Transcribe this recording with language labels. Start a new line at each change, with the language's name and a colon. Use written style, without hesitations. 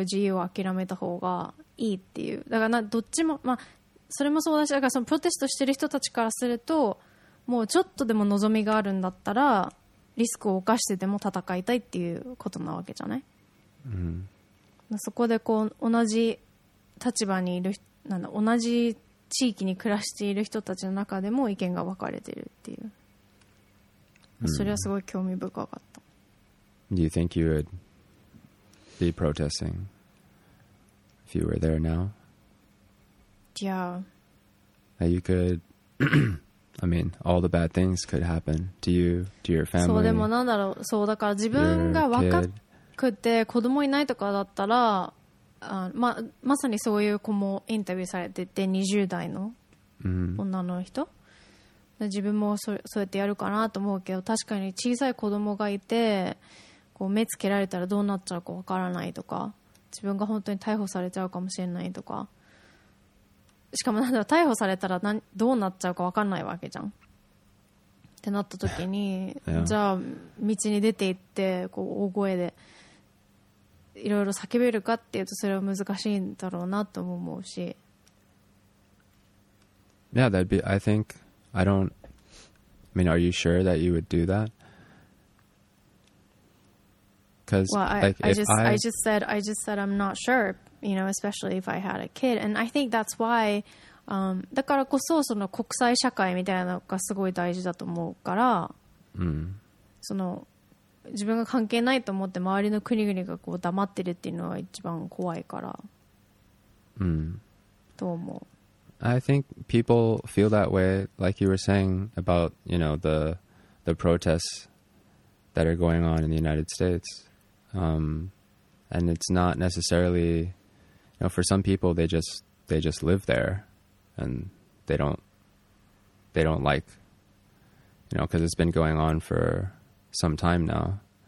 Japanese: 自由を諦めた方がいいっていう。だからどっちも、まあ、それもそうだし、だからそのプロテストしてる人たちからすると、もうちょっとでも望みがあるんだったら、リスクを冒してでも戦いたいっていうことなわけじゃない？そこでこう、同じ立場にいる、なんだ、同じ地域に暮らしている人たちの中でも意見が分かれてるっていう。それはすごい興味深かった。
English: Do you think you would be protesting if you were there now? Yeah. That you could, I mean, all the bad things could happen to you, to your family.
Japanese: そうでもなんだろう。そうだから自分が若くて子供いないとかだったら、まさにそういう子もインタビューされてて20代の女の人。で自分もそうやってやるかなと思うけど、確かに小さい子供がいて。目つけられたらどうなっちゃうか分からないとか、自分が本当に逮捕されちゃうかもしれないとか、しかもなんだろう、逮捕されたらどうなっちゃうか分からないわけじゃんってなった時に、yeah. じゃあ道に出て行ってこう大声でいろいろ叫べるかっていうと、それは難しいんだろうなとも思うし。
English: Yeah, that'd be, I think, I don't, I mean, are you sure that you would do that? I just said I'm not sure, you know, especially if I had a kid. And I think that's why,
Japanese: だからこそその国際社会みたいなのがすごい大事だと思うから、その自分が関係ないと思って周りの国々がこう黙ってるっていうのは一番怖いから、と思う。
English: I think people feel that way, like you were saying about, you know, the protests that are going on in the United States. And it's not necessarily, you know, for some people they just live there and they don't like, you know, because it's been going on for some time now.